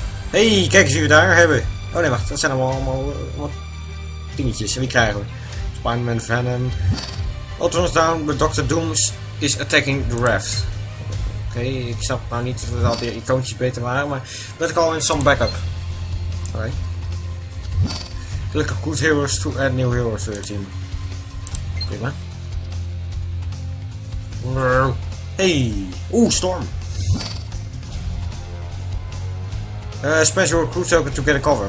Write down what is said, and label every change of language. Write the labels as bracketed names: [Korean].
[Dutch] Hey, kijk eens wie we daar hebben. Oh nee, wacht. Dat zijn allemaal dingetjes. En wie krijgen we? [English] Spider-Man, Venom. Ultron's down, but Dr. Doom is attacking the raft. [Dutch] Oké, ik snap nou niet dat al die icoontjes beter waren, maar [English] let's call in some backup. [Dutch] Oké. [English] Click on good heroes to add new heroes to your team. [Dutch] Prima. Hey! Oeh, Storm! [English] Special recruit token to get a cover.